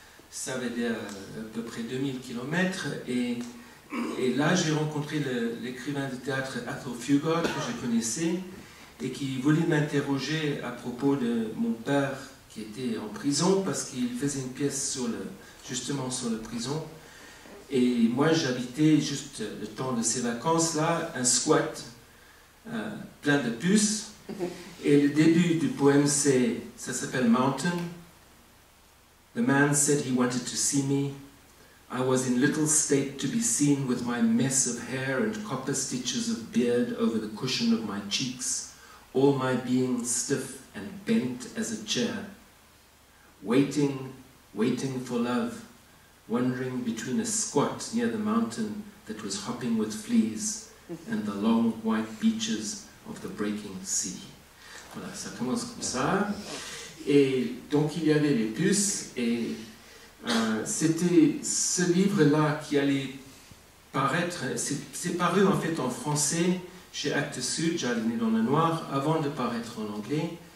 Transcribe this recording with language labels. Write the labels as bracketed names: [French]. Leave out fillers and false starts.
[French] Ça avait été à peu près 2000 km. Et là, j'ai rencontré l'écrivain de théâtre Arthur Fugot, que je connaissais, et qui voulait m'interroger à propos de mon père, qui était en prison parce qu'il faisait une pièce sur la prison. Et moi, j'habitais juste le temps de ces vacances-là, un squat plein de puces. Et le début du poème, ça s'appelle Mountain. [English] The man said he wanted to see me. I was in little state to be seen with my mess of hair and copper stitches of beard over the cushion of my cheeks, all my being stiff and bent as a chair. Waiting, waiting for love, wandering between a squat near the mountain that was hopping with fleas and the long white beaches of the breaking sea. [French] Voilà, ça commence comme ça. Et donc il y avait les puces et c'était ce livre-là qui allait paraître, c'est paru en fait en français chez Actes Sud, J'allais né dans le noir, avant de paraître en anglais.